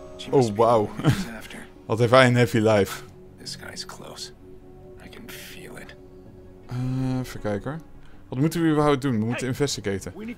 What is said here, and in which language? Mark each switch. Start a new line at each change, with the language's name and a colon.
Dutch: Oh wow. Wat heeft hij een heavy life.
English: This guy's close. I can feel it.
Dutch: Even kijken hoor. Wat moeten we überhaupt doen? We moeten investigaten.